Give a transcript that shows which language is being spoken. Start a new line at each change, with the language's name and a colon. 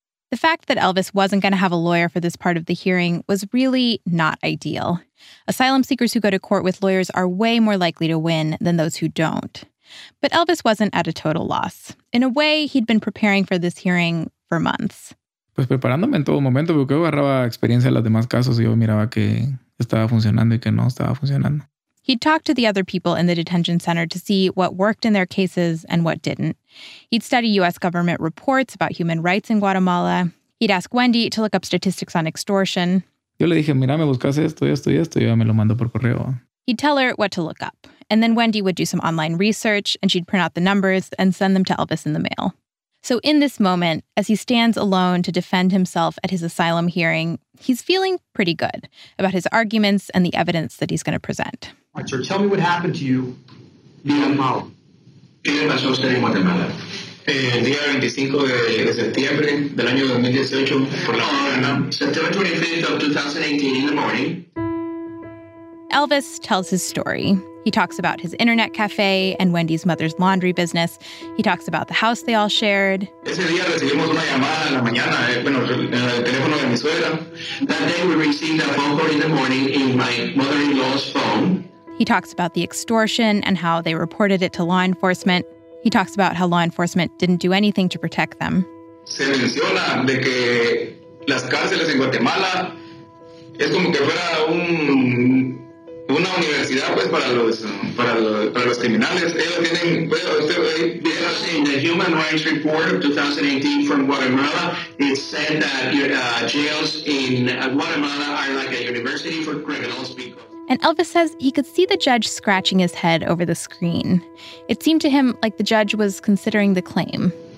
English: The fact that Elvis wasn't going to have a lawyer for this part of the hearing was really not ideal. Asylum seekers who go to court with lawyers are way more likely to win than those who don't. But Elvis wasn't at a total loss. In a way, he'd been preparing for this hearing for months.
Spanish: Pues preparándome en todo momento, porque yo agarraba experiencia en los demás casos y yo miraba que estaba funcionando y que no estaba funcionando.
English: He'd talked to the other people in the detention center to see what worked in their cases and what didn't. He'd study U.S. government reports about human rights in Guatemala. He'd ask Wendy to look up statistics on extortion.
Spanish: Yo le dije, mira, me buscas esto, esto y esto, y ya me lo mando por correo.
English: He'd tell her what to look up. And then Wendy would do some online research, and she'd print out the numbers and send them to Elvis in the mail. So in this moment, as he stands alone to defend himself at his asylum hearing, he's feeling pretty good about his arguments and the evidence that he's going to present. All right, sir, tell me what happened to you in Guatemala.
Spanish: ¿Qué le pasó a usted en Guatemala? El día 25 de septiembre del año 2018, por la mañana,
English: September 25th of 2018 in the morning. Elvis tells his story. He talks about his internet cafe and Wendy's mother's laundry business. He talks about the house they all shared.
Spanish: Ese día recibimos una llamada en la mañana, en el teléfono de mi suegra.
English: That day we received a phone call in the morning in my mother-in-law's phone. He talks about the extortion and how they reported it to law enforcement. He talks about how law enforcement didn't do anything to protect them.
Spanish: Se menciona de que las cárceles en Guatemala es como que fuera una universidad pues para los criminales. Ellos tienen,
English: in the Human Rights Report of 2018 from Guatemala, it said that jails in Guatemala are like a university for criminals because. And Elvis says he could see the judge scratching his head over the screen. It seemed to him like the judge was considering the claim.